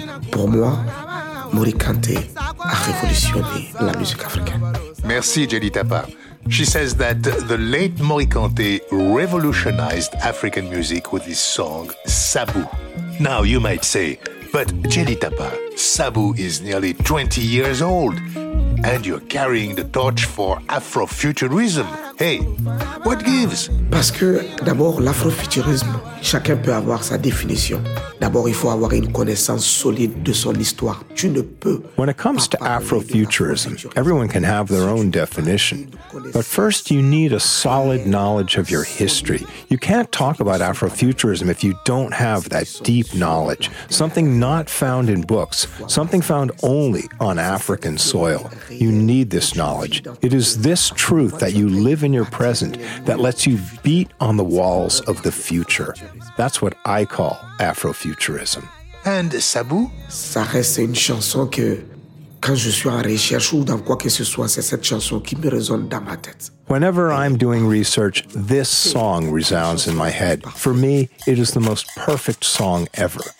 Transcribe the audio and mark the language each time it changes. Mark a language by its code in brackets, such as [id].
[fr] Pour moi, Morikante a révolutionné la musique africaine. Merci, Jenny Tapa. [en] She says that the late Morikante revolutionized African music with his song Sabu. Now, you might say, but Jenny Tapa, Sabu is nearly 20 years old, and you're carrying the torch for Afrofuturism. Hey, what gives? [fr] Parce que d'abord, l'Afrofuturisme, chacun peut avoir sa définition. D'abord, il faut avoir une connaissance solide de son histoire. Tu ne peux. [en] When it comes to Afrofuturism, everyone can have their own definition. But first, you need a solid knowledge of your history. You can't talk about Afrofuturism if you don't have that deep knowledge, something not found in books, something found only on African soil. You need this knowledge. It is this truth that you live in your present that lets you beat on the walls of the future. That's what I call Afrofuturism. And Sabu? [fr] Ça reste une chanson que, quand je suis en recherche ou dans quoi que ce soit, c'est cette chanson qui me résonne dans ma tête. [en] Whenever I'm doing research, this song resounds in my head. For me, it is the most perfect song ever.